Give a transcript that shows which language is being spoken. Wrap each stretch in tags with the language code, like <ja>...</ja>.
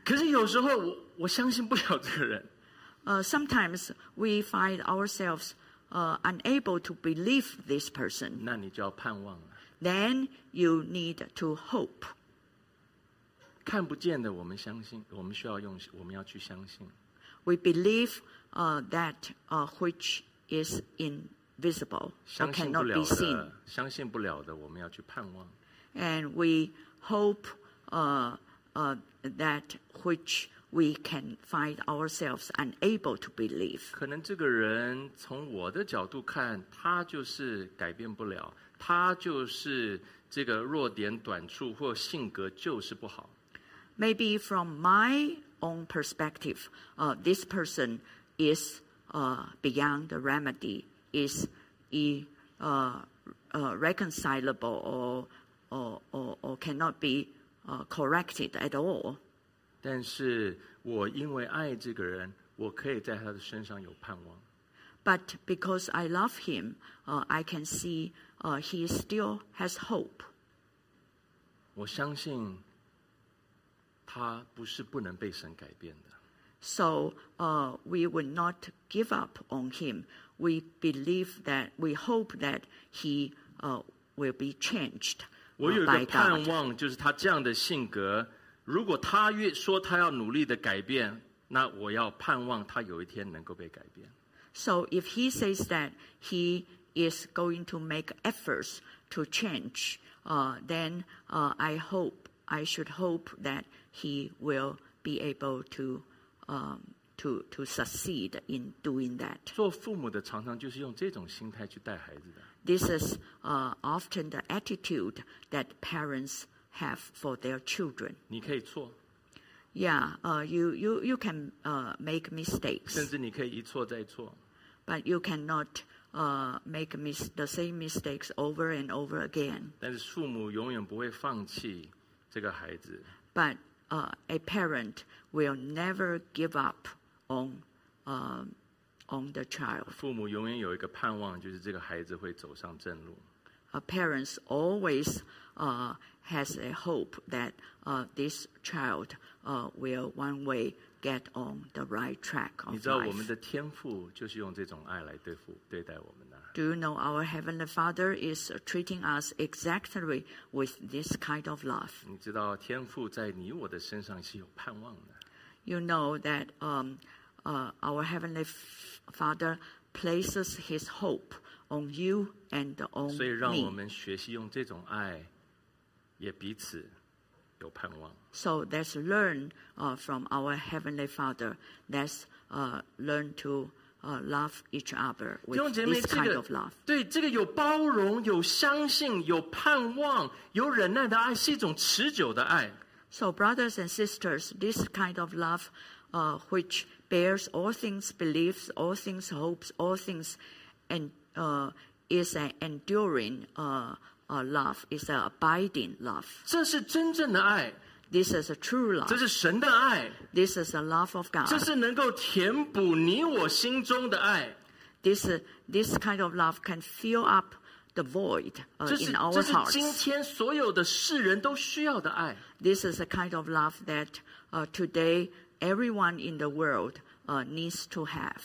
<zh>可是有时候我相信不了这个人。</zh> <en>Sometimes we find ourselves unable to believe this person.</en> <zh>那你就要盼望了。</zh> <en>Then you need to hope.</en> <zh>看不见的我们相信，我们需要用，我们要去相信。</zh> <en>We believe that which is invisible, that cannot be seen.</en> <zh>相信不了的我们要去盼望。</zh> <en>And we hope that which we can find ourselves unable to believe.</en> <zh>可能这个人从我的角度看，他就是改变不了，他就是这个弱点短处或性格就是不好。</zh> <en>Maybe from my own perspective, this person is beyond the remedy, is irreconcilable or cannot be corrected at all.</en> <zh>但是我因为爱这个人，我可以在他的身上有盼望。</zh> <en>But because I love him, I can see he still has hope.</en> <zh>我相信他不是不能被神改变的。</zh> <en>So, we would not give up on him. We believe that, we hope that he will be changed by God.</en> <zh>我有一个盼望，就是他这样的性格，如果他越说他要努力的改变，那我要盼望他有一天能够被改变。</zh> <en>So, if he says that he is going to make efforts to change, then I hope, I should hope that he will be able to succeed in doing that.</en> <zh>做父母的常常就是用这种心态去带孩子的。</zh> <en>This is often the attitude that parents have for their children.</en> <zh>你可以错。</zh> <en>Yeah, you can make mistakes.</en> <zh>甚至你可以一错再错。</zh> <en>But you cannot make the same mistakes over and over again.</en> <zh>但是父母永远不会放弃这个孩子。</zh> <en>But a parent will never give up on the child.</en> <zh>父母永远有一个盼望，就是这个孩子会走上正路。</zh> <en>A parent always has a hope that this child will one way get on the right track of life.</en> <zh>你知道我们的天父就是用这种爱来对待我们的。</zh> <en>Do you know our Heavenly Father is treating us exactly with this kind of love?</en> <zh>你知道天父在你我的身上是有盼望的。</zh> <en>You know that our Heavenly Father places His hope on you and on me.</en> <zh>所以让我们学习用这种爱，也彼此有盼望。</zh> <en>So let's learn from our Heavenly Father. Let's learn to love each other with this kind of love.</en> <zh>对这个有包容、有相信、有盼望、有忍耐的爱，是一种持久的爱。</zh> <en>So brothers and sisters, this kind of love, which bears all things, believes all things, hopes all things, and is an enduring love, is an abiding love.</en> <zh>这是真正的爱。</zh> <en>This is a true love.</en> <zh>这是神的爱。</zh> <en>This is the love of God.</en> <zh>这是能够填补你我心中的爱。</zh> <en>This kind of love can fill up the void in our hearts.</en> <zh>这是今天所有的世人都需要的爱。</zh> <en>This is a kind of love that today everyone in the world needs to have.</en>